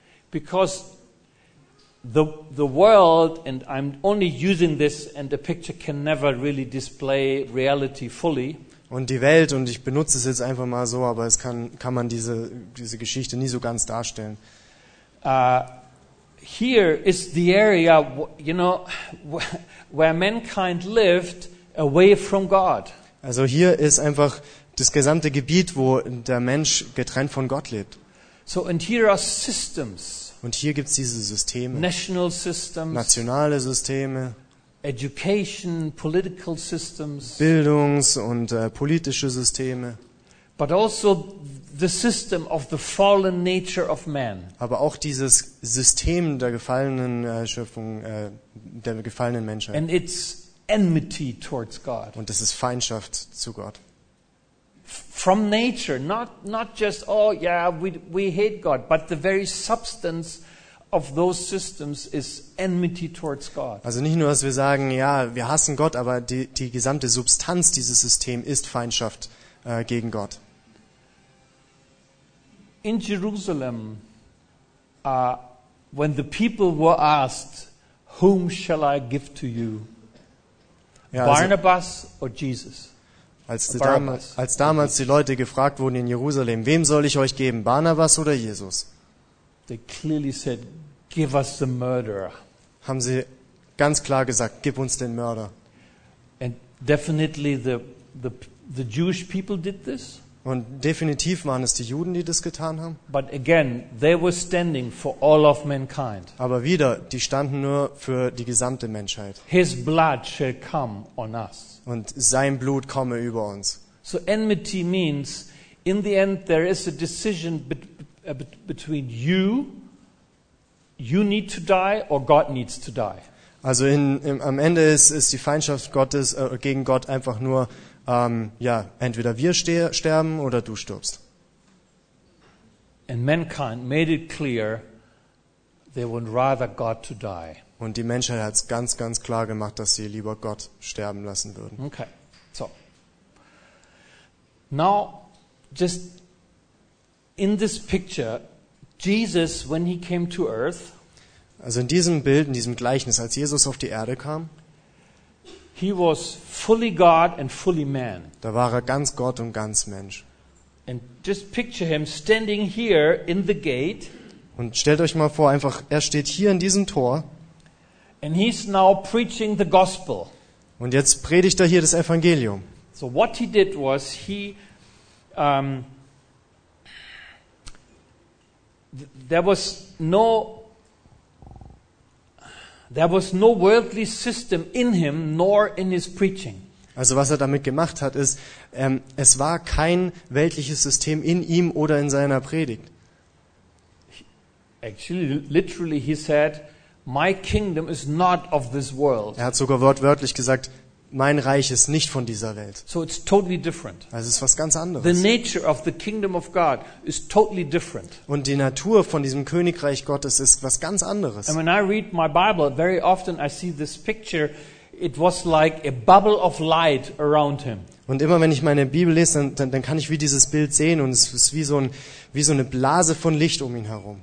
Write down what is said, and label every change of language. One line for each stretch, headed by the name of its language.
English: Because the world, and I'm only using this, and the picture can never really display reality fully.
German: Und die Welt, und ich benutze es jetzt einfach mal so, aber es kann man diese Geschichte nie so ganz darstellen.
English: Here is the area, you know, where mankind lived away from God.
German: Also hier ist einfach das gesamte Gebiet, wo der Mensch getrennt von Gott lebt.
English: So and here are systems.
German: Und hier gibt's diese Systeme.
English: National systems.
German: Nationale Systeme.
English: Education, political systems.
German: Bildungs- und politische Systeme.
English: But also the system of the fallen nature of man.
German: Aber auch dieses System der gefallenen Schöpfung, der gefallenen Menschheit.
English: And it's enmity towards God.
German: Und das ist Feindschaft zu Gott.
English: From nature, not just we hate God, but the very substance of those systems is enmity towards God.
German: Also nicht nur, dass wir sagen, ja, wir hassen Gott, aber die gesamte Substanz dieses Systems ist Feindschaft gegen Gott.
English: In Jerusalem, when the people were asked, "Whom shall I give to you,
German: ja, also,
English: Barnabas or Jesus?"
German: Als damals die Leute gefragt wurden in Jerusalem, wem soll ich euch geben, Barnabas oder Jesus?
English: They clearly said, "Give us the murderer."
German: Haben sie ganz klar gesagt, gib uns den Mörder.
English: And definitely the Jewish people did this.
German: Und definitiv waren es die Juden, die das getan haben.
English: But again, they were standing for all of mankind.
German: Aber wieder, die standen nur für die gesamte Menschheit.
English: His blood shall come on us.
German: Und sein Blut komme über uns.
English: So enmity means, in the end, there is a decision between you need to die, or God needs to die.
German: Also am Ende ist die Feindschaft Gottes gegen Gott einfach nur, entweder wir sterben oder du stirbst.
English: And mankind made it clear they would rather God to die.
German: Und die Menschheit hat es ganz, ganz klar gemacht, dass sie lieber Gott sterben lassen würden.
English: Okay, so. Now, just in this picture, Jesus, when he came to earth,
German: also in diesem Bild, in diesem Gleichnis, als Jesus auf die Erde kam,
English: he was fully God and fully man.
German: Da war er ganz Gott und ganz Mensch.
English: And just picture him standing here in the gate.
German: Und stellt euch mal vor, einfach, er steht hier in diesem Tor.
English: And he's now preaching the gospel.
German: Und jetzt predigt er hier das Evangelium.
English: So what he did was he there was no worldly system in him nor in his preaching.
German: Also was er damit gemacht hat ist, es war kein weltliches System in ihm oder in seiner Predigt.
English: Actually literally he said, my kingdom is not of this world.
German: Er hat sogar wortwörtlich gesagt, mein Reich ist nicht von dieser Welt.
English: So it's totally different.
German: Also es ist was ganz anderes.
English: The nature of the kingdom of God is totally different.
German: Und die Natur von diesem Königreich Gottes ist was ganz anderes.
English: And when I read my Bible, very often I see this picture. It was like a bubble of light around him.
German: Und immer wenn ich meine Bibel lese, dann kann ich wie dieses Bild sehen und es ist wie so eine Blase von Licht um ihn herum.